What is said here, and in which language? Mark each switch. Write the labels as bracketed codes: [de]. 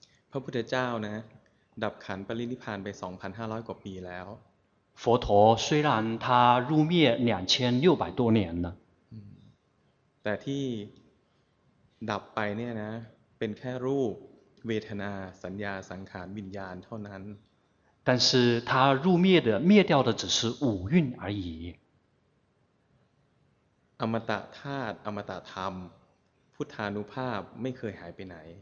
[th] พระพุทธเจ้านะดับขันธปรินิพพานไป 2,500 กว่าปีแล้ว [zh] 佛陀虽然他入灭2600多年了， [th] แต่ที่ดับไปเนี่ยนะเป็นแค่รูปเวทนาสัญญาสังขารวิญญาณเท่านั้น [zh] 但是他入灭的灭掉的只是五蕴而已 [th] อมตะธาตุอมตะธรรมพุทธานุภาพไม่เคยหายไปไหน